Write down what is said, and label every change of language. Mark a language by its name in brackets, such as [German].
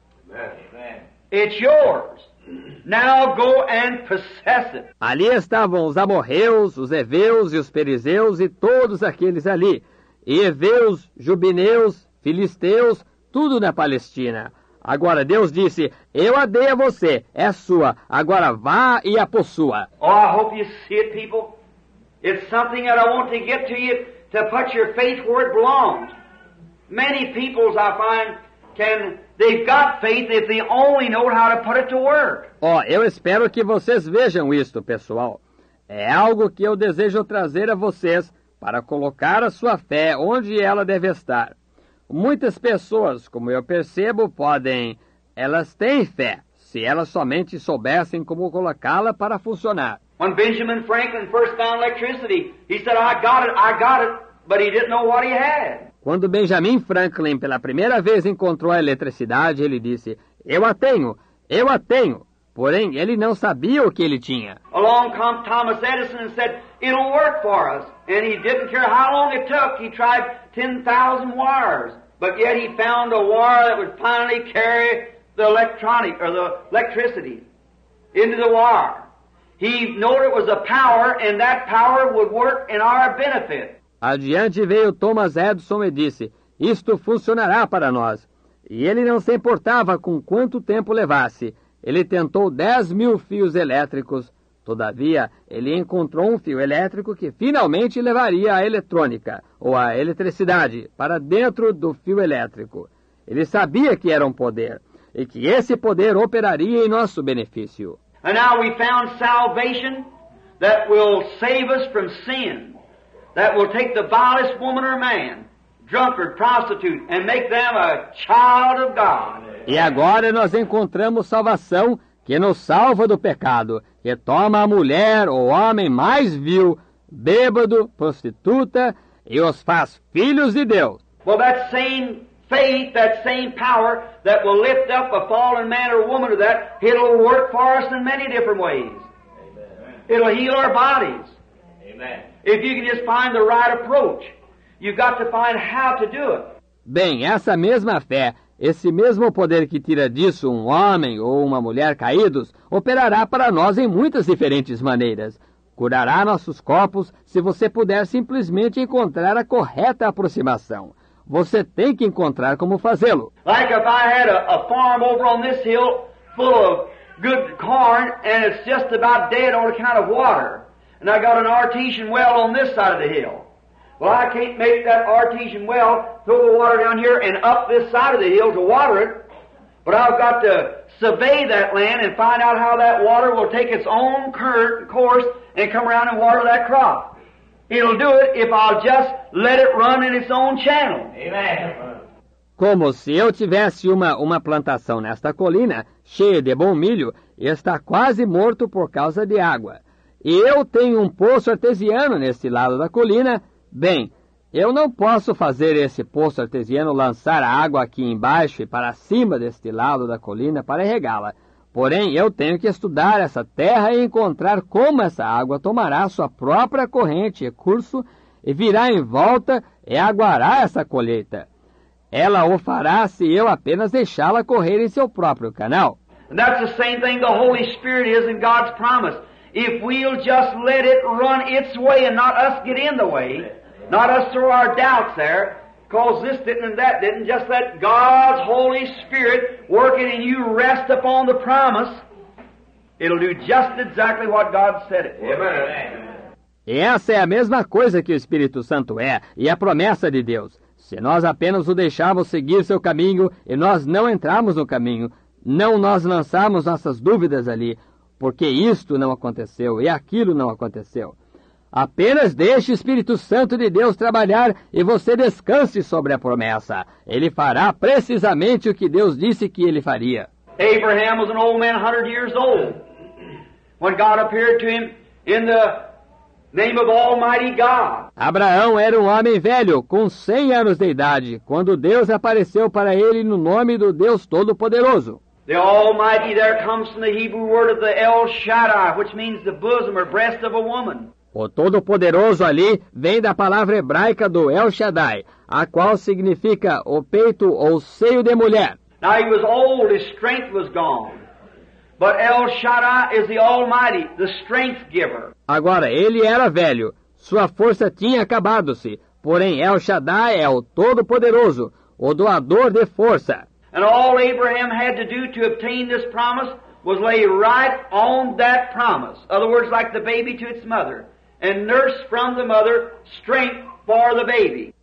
[English] Amen. It's yours. Now go and possess it. [Portuguese] Ali estavam os amorreus, os heveus e os perizeus e todos aqueles ali. Heveus, jubineus, filisteus, tudo na Palestina. Agora Deus disse, eu a dei a você, é sua. Agora vá e a possua. [English] Oh, I hope you see it, people. It's something that I want to get to you to put your faith where it belongs. Many peoples I find can... They've got faith if they only know how to put it to work. [Portuguese] Oh, eu espero que vocês vejam isto, pessoal. É algo que eu desejo trazer a vocês para colocar a sua fé onde ela deve estar. Muitas pessoas, como eu percebo, podem... Elas têm fé, se elas somente soubessem como colocá-la para funcionar. [English] When Benjamin Franklin first found electricity, he said, I got it, but he didn't know what he had. [Portuguese] Quando Benjamin Franklin pela primeira vez encontrou a eletricidade, ele disse, eu a tenho, porém ele não sabia o que ele tinha. [English] Along came Thomas Edison and said, it'll work for us. And he didn't care how long it took, he tried 10,000 wires. But yet he found a wire that would finally carry the electronic, or the electricity, into the wire. He knew it was a power, and that power would work in our benefit. [Portuguese] Adiante veio Thomas Edison e disse, isto funcionará para nós. E ele não se importava com quanto tempo levasse. Ele tentou 10,000 fios elétricos. Todavia, ele encontrou um fio elétrico que finalmente levaria a eletrônica, ou a eletricidade, para dentro do fio elétrico. Ele sabia que era um poder, e que esse poder operaria em nosso benefício. [English] And now we found salvation that will save us from sin. That will take the vilest woman or man, drunkard, prostitute, and make them a child of God. [Portuguese] E agora nós encontramos salvação que nos salva do pecado, que toma a mulher, o homem mais vil, bêbado, prostituta, e os faz filhos de Deus. [English] Well, that same faith, that same power that will lift up a fallen man or woman or that, it'll work for us in many different ways. Amen. It'll heal our bodies. Amen. If you can just find the right approach, you've got to find how to do it. [Portuguese] Bem, essa mesma fé, esse mesmo poder que tira disso um homem ou uma mulher caídos, operará para nós em muitas diferentes maneiras. Curará nossos corpos se você puder simplesmente encontrar a correta aproximação. Você tem que encontrar como fazê-lo. [English] Like if I had a farm over on this hill full of good corn and it's just about dead on account of water. And I got an artesian well on this side of the hill. Well, I can't make that artesian well, throw the water down here and up this side of the hill to water it. But I've got to survey that land and find out how that water will take its own current course and come around and water that crop. It'll do it if I'll just let it run in its own channel. Amen. [Portuguese] Como se eu tivesse uma plantação nesta colina, cheia de bom milho, e está quase morto por causa de água. E eu tenho um poço artesiano neste lado da colina. Bem, eu não posso fazer esse poço artesiano lançar a água aqui embaixo e para cima deste lado da colina para regá-la. Porém, eu tenho que estudar essa terra e encontrar como essa água tomará sua própria corrente e curso e virá em volta e aguará essa colheita. Ela o fará se eu apenas deixá-la correr em seu próprio canal. [English] And that's the same thing the Holy Spirit is in God's promise. If we'll just let it run its way and not us get in the way, not us throw our doubts there, cause this didn't and that didn't, just let God's Holy Spirit working in you rest upon the promise, it'll do just exactly what God said it would. Amen. [Portuguese] E essa é a mesma coisa que o Espírito Santo é, e a promessa de Deus. Se nós apenas o deixarmos seguir seu caminho e nós não entrarmos no caminho, não nós lançarmos nossas dúvidas ali, porque isto não aconteceu e aquilo não aconteceu. Apenas deixe o Espírito Santo de Deus trabalhar e você descanse sobre a promessa. Ele fará precisamente o que Deus disse que ele faria. [English] Abraham was an old man, 100 years old, when God appeared to him in the name of Almighty God. [Portuguese] Abraão era um homem velho, com 100 anos de idade, quando Deus apareceu para ele no nome do Deus Todo-Poderoso. [English] The Almighty there comes from the Hebrew word of the El Shaddai, which means the bosom or breast of a woman. [Portuguese] O Todo-Poderoso ali vem da palavra hebraica do El Shaddai, a qual significa o peito ou seio de mulher. [English] Now he was old, his strength was gone. But El Shaddai is the Almighty, the strength giver. [Portuguese] Agora, ele era velho, sua força tinha acabado-se, porém El Shaddai é o Todo-Poderoso, o doador de força. [English] And all Abraham had to do to obtain this promise was lay right on that promise. In other words, like the baby to its mother. And nurse from the mother strength for the baby.